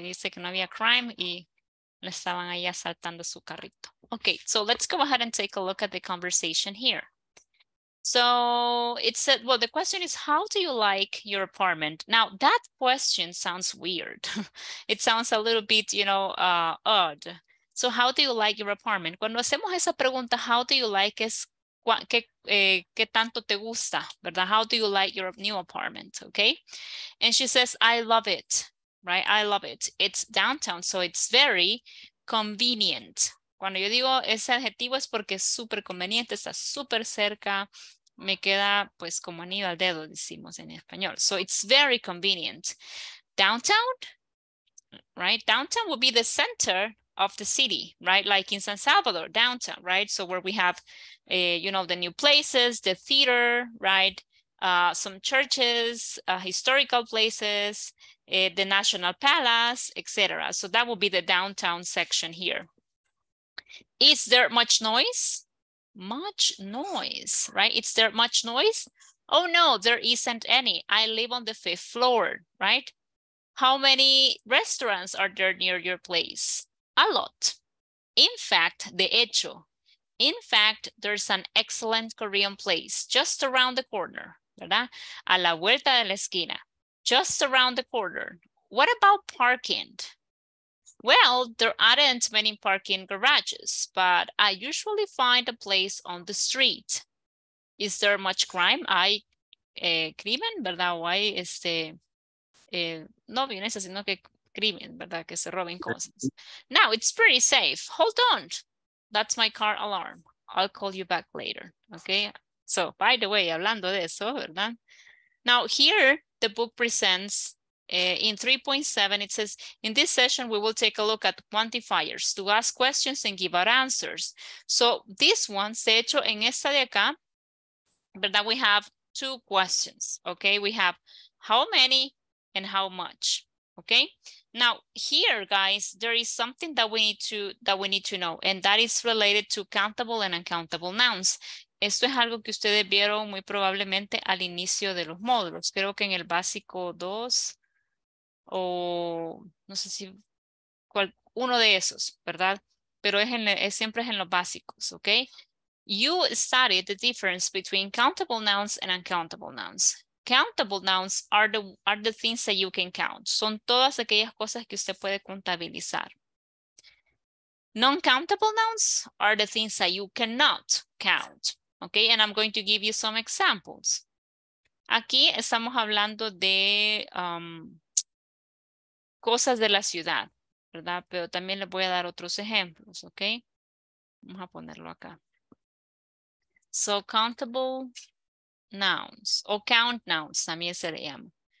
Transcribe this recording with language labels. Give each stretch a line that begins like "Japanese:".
Spanish: Dice que no había crime y le estaban ahí asaltando su carrito.
English: Ok, so let's go ahead and take a look at the conversation here. So it said, well, the question is, how do you like your apartment? Now, that question sounds weird. It sounds a little bit, you know, odd. So how do you like your apartment?
Spanish: Cuando hacemos esa pregunta,
English: how do you like
Spanish: es ¿Qué tanto te gusta, verdad?
English: How do you like your new apartment, okay? And she says, I love it, right? I love it. It's downtown, so it's very convenient.
Spanish: Cuando yo digo ese adjetivo es porque es súper conveniente, está súper cerca, me queda pues como anillo al dedo, decimos en español.
English: So it's very convenient. Downtown, right? Downtown would be the center of the city, right? Like in San Salvador, downtown, right? So where we have, you know, the new places, the theater, right? Some churches, historical places, the National Palace, etc. So that would be the downtown section here. Is there much noise? Much noise, right? Is there much noise? Oh no, there isn't any. I live on the fifth floor, right? How many restaurants are there near your place? A lot. In fact,
Spanish: de hecho,
English: in fact, there's an excellent Korean place just around the corner,
Spanish: ¿verdad? A la vuelta de la esquina,
English: just around the corner. What about parking? Well, there aren't many parking garages, but I usually find a place on the street. Is there much crime?
Spanish: ¿Hay crimen, verdad? ¿O hay no violencia, sino que crimen, ¿verdad? Que se roben cosas.
English: Now, it's pretty safe. Hold on. That's my car alarm. I'll call you back later. Okay? So, by the way,
Spanish: hablando de eso, ¿verdad?
English: Now, here, the book presents, in 3.7, it says, in this session, we will take a look at quantifiers to ask questions and give out answers. So, this one,
Spanish: de hecho, en esta de acá, ¿verdad?
English: We have two questions, okay? We have how many and how much, okay? Now here, guys, there is something that we need to know, and that is related to countable and uncountable nouns.
Spanish: Esto es algo que ustedes vieron muy probablemente al inicio de los módulos. Creo que en el básico 2 o no sé si cual, uno de esos, ¿verdad? Pero siempre es en los básicos, ¿ok?
English: You studied the difference between countable nouns and uncountable nouns. Countable nouns are the things that you can count.
Spanish: Son todas aquellas cosas que usted puede contabilizar.
English: Non-countable nouns are the things that you cannot count. Okay, and I'm going to give you some examples.
Spanish: Aquí estamos hablando de cosas de la ciudad, ¿verdad? Pero también les voy a dar otros ejemplos, okay? Vamos a ponerlo acá.
English: So countable nouns, o count nouns,
Spanish: también se le llama.